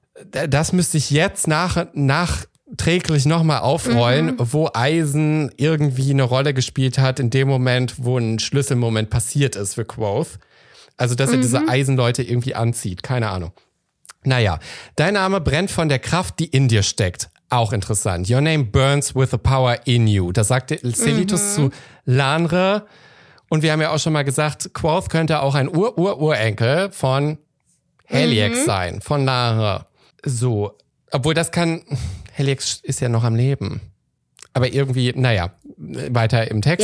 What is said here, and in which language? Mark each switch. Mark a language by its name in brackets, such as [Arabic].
[German] Das müsste ich jetzt nachträglich nochmal aufrollen, wo Eisen irgendwie eine Rolle gespielt hat in dem Moment, wo ein Schlüsselmoment passiert ist für Quoth. Also, dass er diese Eisenleute irgendwie anzieht. Keine Ahnung. Naja, dein Name brennt von der Kraft, die in dir steckt. Auch interessant. [English] Your name burns with the power in you. [German] Das sagte Selitos zu Lanre. Und wir haben ja auch schon mal gesagt, Quoth könnte auch ein Ur-Ur-Urenkel von Haliax sein, von Lanre. So, obwohl das kann, Haliax ist ja noch am Leben. Aber irgendwie, naja, weiter im Text.